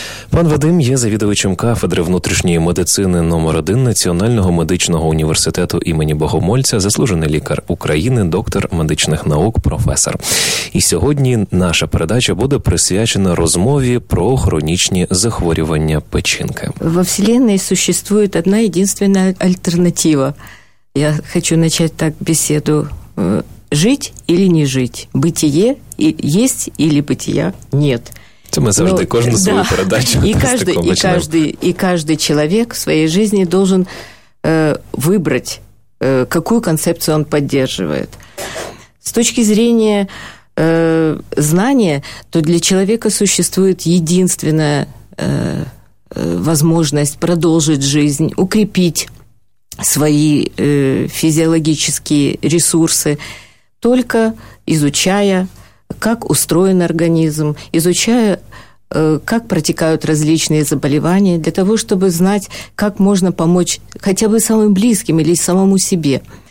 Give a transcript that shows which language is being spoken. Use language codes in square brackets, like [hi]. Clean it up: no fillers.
[uk] Пан Вадим є завідувачем кафедри внутрішньої медицини номер 1 Національного медичного університету імені Богомольця, заслужений лікар України, доктор медичних наук, професор. І сьогодні наша передача буде присвячена розмові про хронічні захворювання печінки. [ru] Во вселенной существует одна единственна альтернатива. Я хочу начать так беседу. Жить или не жить? Бытие есть или бытия нет? [uk] Це ми завжди кожну свою передачу. [ru] І каждый человек в своей жизни должен выбрать, какую концепцию он поддерживает. С точки зрения знания, то для человека существует единственная возможность продолжить жизнь, укрепить свои физиологические ресурсы, только изучая, как устроен организм, изучая, как протекают различные заболевания, для того, чтобы знать, как можно помочь хотя бы самым близким или самому себе.